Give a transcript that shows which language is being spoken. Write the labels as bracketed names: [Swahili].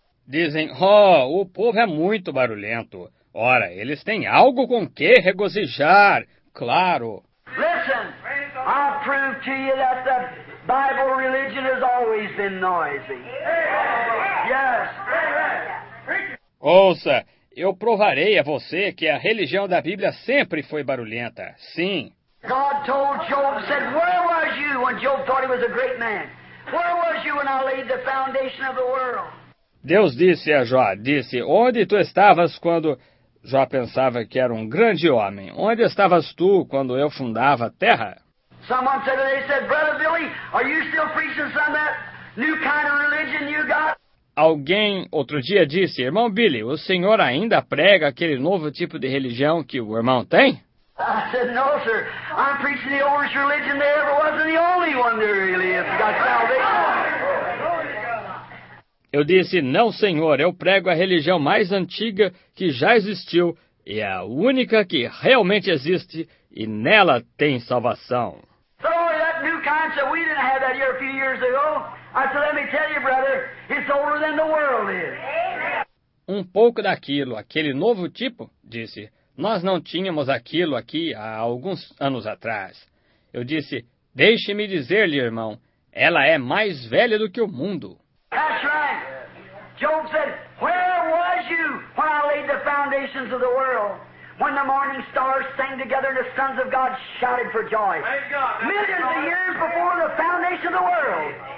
[Portuguese] Dizem, oh, o povo é muito barulhento. Ora, eles têm algo com que regozijar, claro. [English] Listen, I'll prove to you that the Bible religion has always been noisy. Yes. [Portuguese] Ouça, eu provarei a você que a religião da Bíblia sempre foi barulhenta. Sim. [English] God told Job, said, where was you when Job thought he was a great man? Where was you when I laid the foundation of the world? [Portuguese] Deus disse a Jó, disse, onde tu estavas quando Jó pensava que era um grande homem? Onde estavas tu quando eu fundava a terra? [English] Someone said, they said, Brother Billy, are you still preaching some of that new kind of religion you got? [Portuguese] Alguém outro dia disse, irmão Billy, o senhor ainda prega aquele novo tipo de religião que o irmão tem? [English] I said, no, sir. I'm preaching the oldest religion there ever was and the only one there really is. Got salvation. [Portuguese] Eu disse, não, senhor, eu prego a religião mais antiga que já existiu e a única que realmente existe e nela tem salvação. [English] So that new kind said, we didn't have that here a few years ago. I said, let me tell you, brother, it's older than the world is. [Portuguese] Um pouco daquilo, aquele novo tipo, disse, nós não tínhamos aquilo aqui há alguns anos atrás. Eu disse, deixe-me dizer-lhe, irmão, ela é mais velha do que o mundo. [English] That's right. Job said, where was you when I laid the foundations of the world? When the morning stars sang together and the sons of God shouted for joy. Millions of years before the foundation of the world.